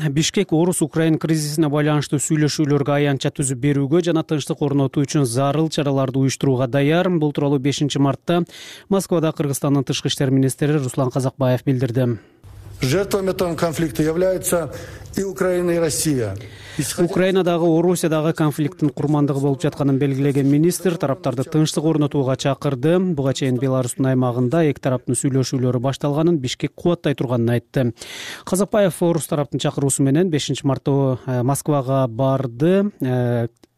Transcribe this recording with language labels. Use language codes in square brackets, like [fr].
[ky] Бишкек орус украин кризисине байланыштуу сүйлөшүүлөргө аянтча түзүп берүүгө жана тынчтык орнотуу үчүн зарыл чараларды уюштурууга даяр. Бул тууралуу 5 мартта Москвада Кыргызстандын тышкы иштер министри Руслан Казакбаев билдирди. [ru] Жертвами этого конфликта являются и Украина, и Россия. [ky] Украинадагы Орусиядагы конфликттин курмандыгы болуп жатканын белгилеген министр тараптарды тынчтык орнотууга чакырды. Буга чейин Беларусьтун аймагында эки тараптын сүйлөшүүлөрү башталганын, Бишкек кубаттай турганын айтты. Казакбаев орус тараптын чакыруусу менен 5 мартта Москвага барды.